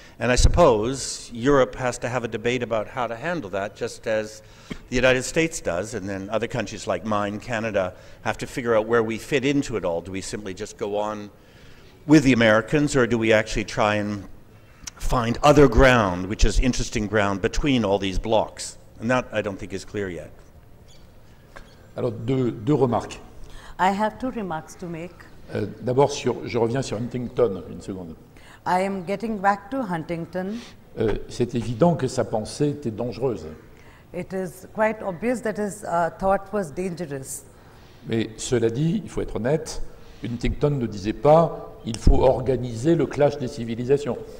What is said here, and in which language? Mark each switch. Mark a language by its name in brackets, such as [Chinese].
[English] And I suppose Europe has to have a debate about how to handle that, just as the United States does, and then other countries like mine, Canada, have to figure out where we fit into it all. Do we simply just go on with the Americans, or do we actually try and find other ground, which is interesting ground, between all these blocks? And that, I don't think, is clear yet. [French] Alors, deux remarques. [English] I have two remarks to make. [French] D'abord, je reviens sur Huntington, une seconde. [English] I am getting back to Huntington. [French] C'est évident que sa pensée était dangereuse. [English] It is quite obvious that his thought was dangerous. [French] Mais cela dit, il faut être honnête, Huntington ne disait pas il faut organiser le clash des civilisations.